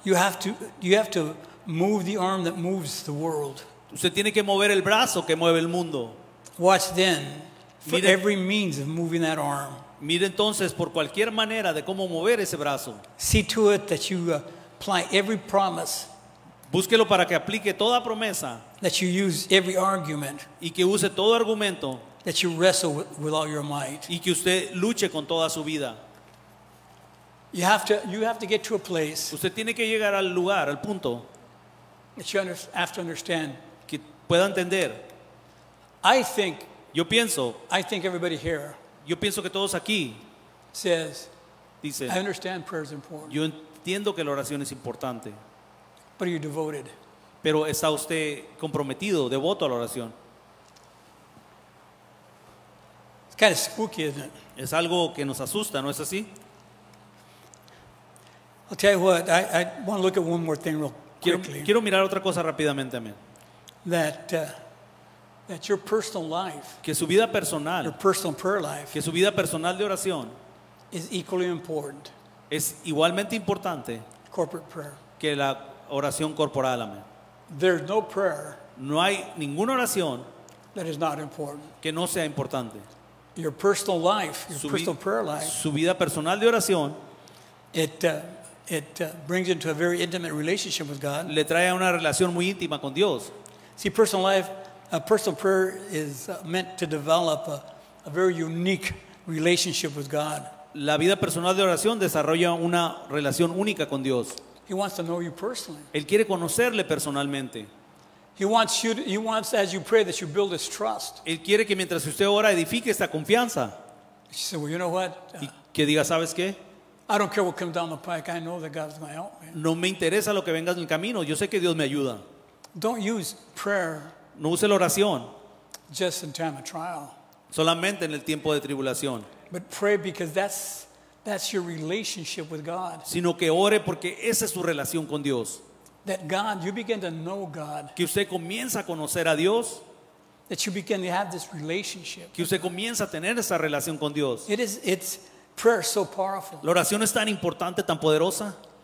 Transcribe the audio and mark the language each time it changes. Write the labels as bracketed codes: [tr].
[en] You have to move the arm that moves the world. [es] Usted tiene que mover el brazo que mueve el mundo. [en] Watch then for [es] mire, [en] every means of moving that arm. [es] Mire entonces por cualquier manera de cómo mover ese brazo. [en] See to it that you apply every promise. [es] Búsquelo para que aplique toda promesa. [en] That you use every argument. [es] Y que use todo argumento. [en] That you wrestle with all your might. [es] Y que usted luche con toda su vida. [en] You have to get to a place. [es] Usted tiene que llegar al lugar, al punto. [en] That you have to understand. [es] Que pueda entender. [en] I think. [es] Yo pienso. [en] I think everybody here. [es] Yo pienso que todos aquí. [en] Says. [es] Dice. [en] I understand prayer is important. [es] Yo entiendo que la oración es importante. [en] But are you devoted? [es] Pero está usted comprometido, devoto a la oración. [en] It's kind of spooky, isn't it? [es] Es algo que nos asusta, ¿no es así? [en] I'll tell you what, I want to look at one more thing real quickly. [es] Quiero mirar otra cosa rápidamente, amén. [en] That your personal life, [es] que su vida personal, [en] your personal prayer life, [es] que su vida personal de oración, [en] is equally important, [es] es igualmente importante, [en] corporate prayer, [es] que la oración corporal, amén. [en] There's no prayer, [es] no hay ninguna oración, [en] that is not important, [es] que no sea importante. [en] Your personal life, your personal prayer life, [es] su vida personal de oración, [en] It brings into a very intimate relationship with God. [es] Le trae a una relación muy íntima con Dios. [en] See, personal life, a personal prayer is meant to develop a very unique relationship with God. [es] La vida personal de oración desarrolla una relación única con Dios. [en] He wants to know you personally. [es] Él quiere conocerle personalmente. [en] He wants as you pray that you build his trust. [es] Él quiere que mientras usted ora edifique esta confianza. [en] She said, "Well, you know what?" [es] Y que diga, ¿sabes qué? [en] I don't care what comes down the pike. I know that God is my help. [es] No me interesa lo que venga en el camino. Yo sé que Dios me ayuda. [en] Don't use prayer. [es] No use la oración. [en] Just in time of trial. [es] Solamente en el tiempo de tribulación. [en] But pray because that's your relationship with God. [es] Sino que ore porque esa es su relación con Dios. [en] That God, you begin to know God. [es] Que usted comienza a conocer a Dios. [en] That you begin to have this relationship. [es] Que usted comienza a tener esa relación con Dios. [en] It's prayer is so powerful. [es] La oración es tan importante, tan poderosa.